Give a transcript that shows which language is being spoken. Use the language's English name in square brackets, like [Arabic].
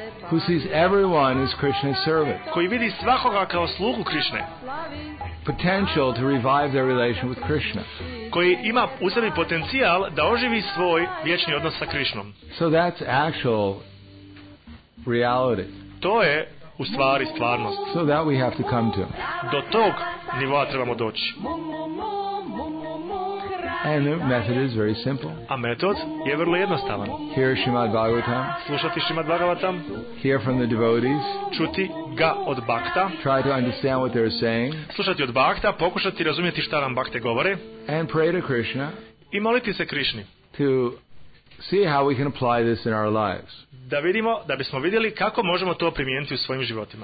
[English] Who sees everyone as Krishna's servant. [Bosnian] Koji vidi svakoga kao slugu Krishne. [English] Potential to revive their relation with Krishna. [Bosnian] Koji ima u sebi potencijal da oživi svoj vječni odnos sa Krishnom. [English] So that's actual reality. [Bosnian] To je u stvari stvarnost. [English] So that we have to come to. [Bosnian] Do tog nivoa trebamo doći. [English] And the method is very simple. [Bosnian] A metod je vrlo jednostavan. [English] Hear Srimad Bhagavatam. [Bosnian] Slušati Srimad Bhagavatam. [English] Hear from the devotees. [Bosnian] Čuti ga od bhakta. [English] Try to understand what they're saying. [Bosnian] Slušati od bhakta, pokušati razumjeti šta nam bhakte govore. [English] And pray to Krishna. [Bosnian] I moliti se Krishni. [English] To see how we can apply this in our lives. [Bosnian] Da vidimo, da bismo vidjeli kako možemo to primijeniti u svojim životima.